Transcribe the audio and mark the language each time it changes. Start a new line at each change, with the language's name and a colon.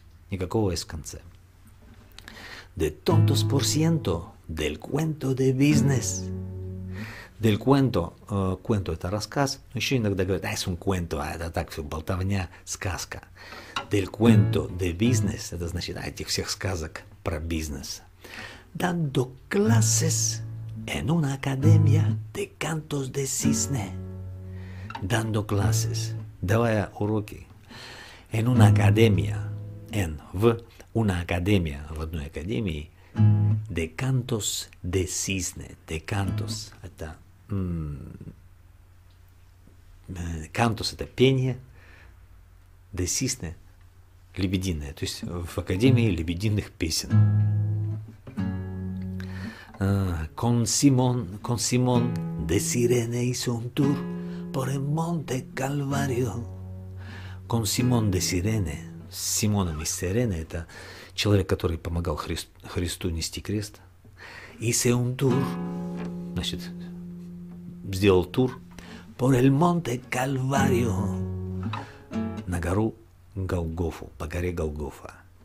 Russian: Никакого S в конце.
Spanish: De tontos por ciento del cuento de business. Del cuento, cuento
Russian: это рассказ, но еще иногда говорят,
Spanish: es un cuento,
Russian: это так все, болтовня, сказка.
Spanish: Del cuento de business,
Russian: это значит, этих всех сказок про бизнес.
Spanish: Dando clases en una academia de cantos de cisne. Dando clases,
Russian: давая уроки.
Spanish: En una academia, en, в una academia,
Russian: в одной академии,
Spanish: de cantos de cisne, de cantos, это...
Russian: Кантус это пение,
Spanish: де сисне
Russian: лебединое, то есть в Академии лебединых песен.
Spanish: Con Simón de Sirene hizo un tour por el Monte Calvario. Con Simón de Sirene,
Russian: с Симоном из Сирены, это человек, который помогал Христу нести крест.
Spanish: Hizo un tour,
Russian: значит, сделал тур
Spanish: por el Monte Calvario,
Russian: на гору Голгофу, по горе Голгофа.